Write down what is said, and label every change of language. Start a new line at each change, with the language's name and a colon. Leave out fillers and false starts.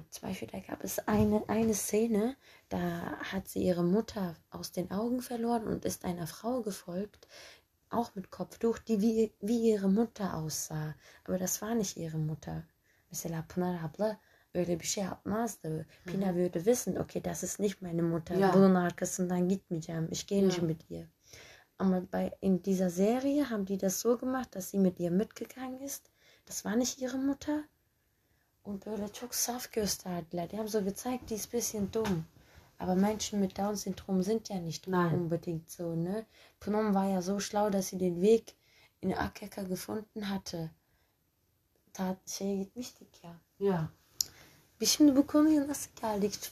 German: Zum Beispiel, da gab es eine Szene, da hat sie ihre Mutter aus den Augen verloren und ist einer Frau gefolgt, auch mit Kopftuch, die wie ihre Mutter aussah. Aber das war nicht ihre Mutter.
Turkish: Mesela Pınar abla,
German: Pina würde wissen, okay, das ist nicht meine Mutter. Ja.
Turkish: Bunun arkasından gitmeyeceğim,
German: ich gehe nicht Ja. mit ihr. Aber in dieser Serie haben die das so gemacht, dass sie mit ihr mitgegangen ist. Das war nicht ihre Mutter. Und
Turkish: böyle çok saf gösterdiler.
German: Die haben so gezeigt, die ist ein bisschen dumm. Aber Menschen mit Down-Syndrom sind ja nicht Nein. unbedingt so, ne? Phnom war ja so schlau, dass sie den Weg in Akeka gefunden hatte.
Turkish: Tat şey gitmiştik ya.
German: Ja. Wie
Turkish: şimdi bu konuya nasıl geldik?